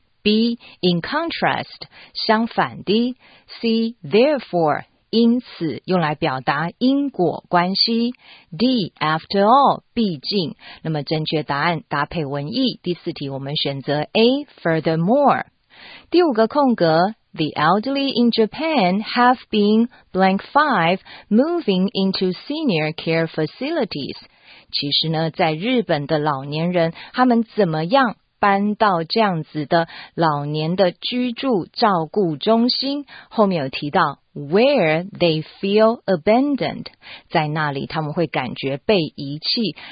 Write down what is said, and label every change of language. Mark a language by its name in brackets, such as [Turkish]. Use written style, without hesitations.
[Chinese] B, [English] in contrast, [Chinese] 相反的。C, therefore, 因此用来表达因果关系。 [English] D, after all, 毕竟。 [Chinese] 那么正确答案搭配文意。第四题我们选择 A, furthermore。第五个空格。 [English] The elderly in Japan have been blank five moving into senior care facilities. [Chinese] 其实呢，在日本的老年人，他们怎么样搬到这样子的老年的居住照顾中心？后面有提到 [English] where they feel abandoned， [Chinese] 在那里他们会感觉被遗弃。